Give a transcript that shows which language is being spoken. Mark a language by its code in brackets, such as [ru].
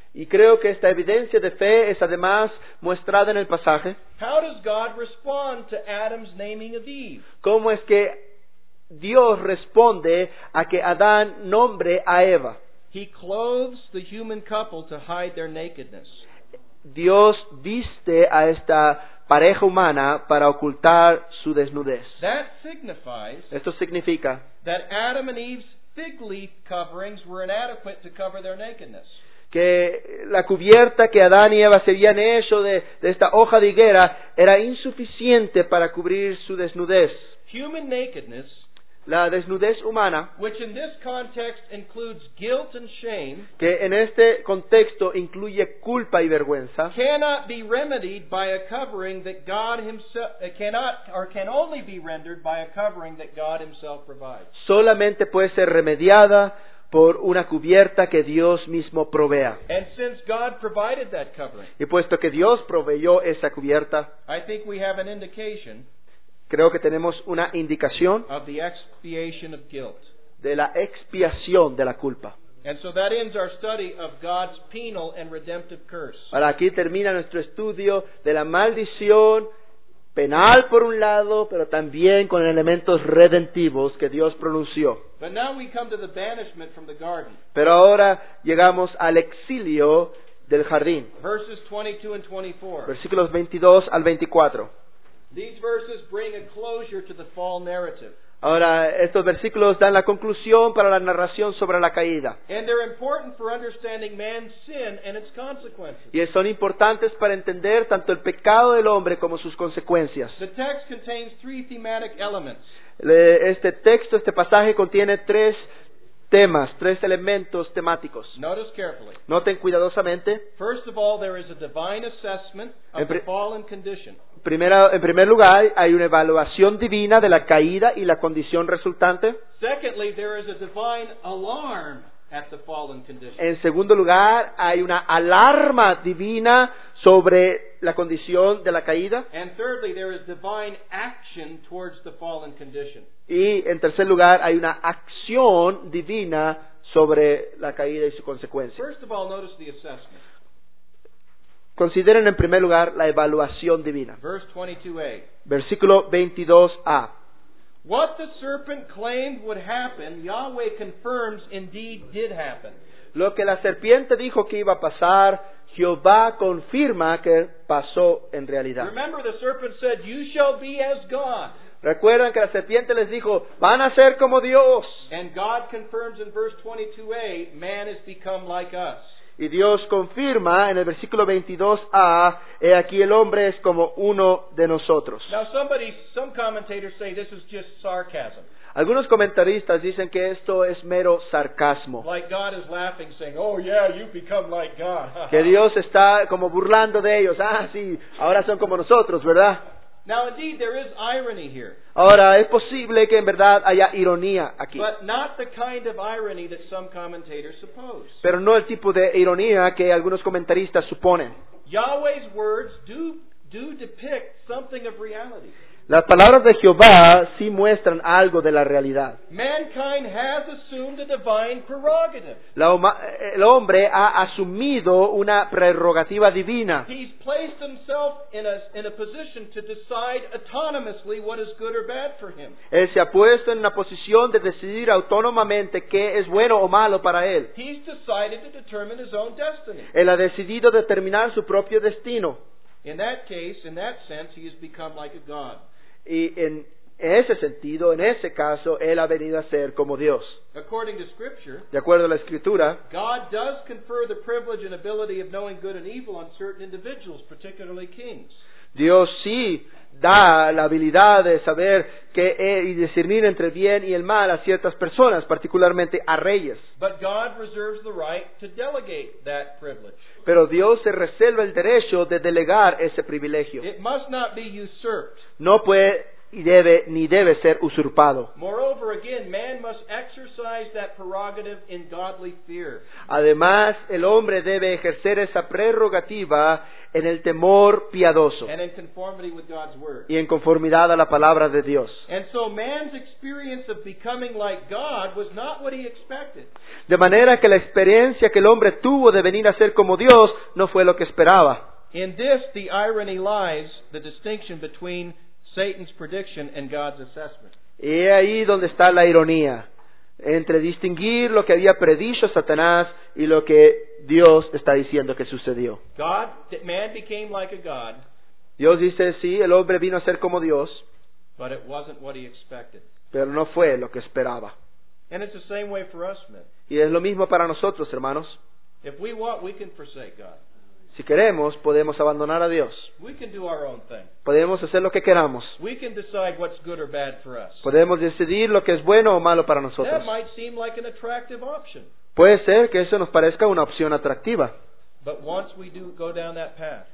[es] Y creo que esta evidencia de fe es además mostrada en el pasaje. [en] How does God respond to Adam's naming of Eve? [es] ¿Cómo es que Dios responde a que Adán nombre a Eva? [en] He clothes the human couple to hide their nakedness. [es] Dios viste a esta pareja humana para ocultar su desnudez. [en] That signifies, [es] esto significa, [en] that Adam and Eve's fig leaf coverings were inadequate to cover their nakedness. [es] Que la cubierta que Adán y Eva se habían hecho de esta hoja de higuera era insuficiente para cubrir su desnudez. [en] Human nakedness, [es] la desnudez humana, [en] which in this context includes guilt and shame, [es] que en este contexto incluye culpa y vergüenza, [en] cannot be remedied by a covering that God himself cannot, or can only be rendered by a covering that God himself provides. [es] Solamente puede ser remediada por una cubierta que Dios mismo provea. [en] And since God provided that covering, [es] y puesto que Dios proveyó esa cubierta, [en] I think we have an indication. [es] Creo que tenemos una indicación [en] of the expiation of guilt. [es] De la expiación de la culpa. [en] And so that ends our study of God's penal and redemptive curse. [es] Ahora aquí termina nuestro estudio de la maldición penal por un lado, pero también con elementos redentivos que Dios pronunció. [en] But now we come to the banishment from the garden. [es] Pero ahora llegamos al exilio del jardín. [en] Verses 22 and 24. [es] Versículos 22 al 24. [en] These verses bring a closure to the fall narrative. [es] Ahora, estos versículos dan la conclusión para la narración sobre la caída. [en] And they're important for understanding man's sin and its consequences. [es] Y son importantes para entender tanto el pecado del hombre como sus consecuencias. [en] The text contains three thematic elements. [es] Este texto, este pasaje contiene tres temas, tres elementos temáticos. [en] Notice carefully. [es] Noten cuidadosamente. [en] First of all, there is a divine assessment of the fallen condition. [es] En primer lugar, hay una evaluación divina de la caída y la condición resultante. [en] Secondly, there is a divine alarm at the fallen condition. [es] En segundo lugar, hay una alarma divina sobre la condición de la caída. [en] And thirdly, there is divine action towards the fallen condition. [es] Y en tercer lugar, hay una acción divina sobre la caída y su consecuencia. [en] First of all, notice the assessment. [es] Consideren en primer lugar la evaluación divina. [en] Verse 22a. [es] Versículo 22a. [en] What the serpent claimed would happen, Yahweh confirms indeed did happen. [es] Lo que la serpiente dijo que iba a pasar, Jehová confirma que pasó en realidad. [en] Remember, the serpent said, "You shall be as God." [es] Recuerdan que la serpiente les dijo, van a ser como Dios. [en] And God confirms in verse 22a, man has become like us. [es] Y Dios confirma en el versículo 22a, he aquí el hombre es como uno de nosotros. [en] Now somebody, some commentators say this is just sarcasm. [es] Algunos comentaristas dicen que esto es mero sarcasmo. [en] Like God is laughing, saying, "Oh yeah, you've become like God." [es] Que Dios está como burlando de ellos. Ah, sí, ahora son como nosotros, ¿verdad? [en] Now indeed, there is irony here. [es] Ahora, es posible que en verdad haya ironía aquí. [en] But not the kind of irony that some commentators suppose. [es] Pero no el tipo de ironía que algunos comentaristas suponen. [en] Yahweh's words do depict something of reality. [es] Las palabras de Jehová sí muestran algo de la realidad. [en] Mankind has assumed a divine prerogative. [es] El hombre ha asumido una prerrogativa divina. [en] He's placed himself in a position to decide autonomously what is good or bad for him. [es] Él se ha puesto en una posición de decidir autónomamente qué es bueno o malo para él. [en] He's decided to determine his own destiny. [es] Él ha decidido determinar su propio destino. [en] In that case, in that sense, he has become like a god. [es] Y en ese sentido, en ese caso, él ha venido a ser como Dios. [en] According to Scripture, [es] de acuerdo a la Escritura, [en] God does confer the privilege and ability of knowing good and evil on certain individuals, particularly kings. [es] Dios sí da la habilidad de saber que y discernir entre el bien y el mal a ciertas personas, particularmente a reyes. [en] But God reserves the right to delegate that privilege. [es] Pero Dios se reserva el derecho de delegar ese privilegio. [en] It must not be usurped. [es] No puede y debe ni debe ser usurpado. [en] Moreover, again, man must exercise that prerogative in godly fear. [es] Además, el hombre debe ejercer esa prerrogativa en el temor piadoso. [en] And in conformity with God's word. [es] Y en conformidad a la palabra de Dios. [en] And so man's experience of becoming like God was not what he expected. [es] De manera que la experiencia que el hombre tuvo de venir a ser como Dios no fue lo que esperaba. [en] In this, the irony lies, the distinction between Satan's prediction and God's assessment. [es] Y ahí donde está la ironía, entre distinguir lo que había predicho Satanás y lo que Dios está diciendo que sucedió. [en] God, man became like a god. [es] Dios dice, sí, el hombre vino a ser como Dios. [en] But it wasn't what he expected. [es] Pero no fue lo que esperaba. [en] And it's the same way for us, men. [es] Y es lo mismo para nosotros, hermanos. [en] If we want, we can forsake God. [es] Si queremos, podemos abandonar a Dios. [en] We can do our own thing. [es] Podemos hacer lo que queramos. [en] We can decide what's good or bad for us. [es] Podemos decidir lo que es bueno o malo para nosotros. [en] That might seem like an attractive option. [es] Puede ser que eso nos parezca una opción atractiva. [en] But once we do go down that path,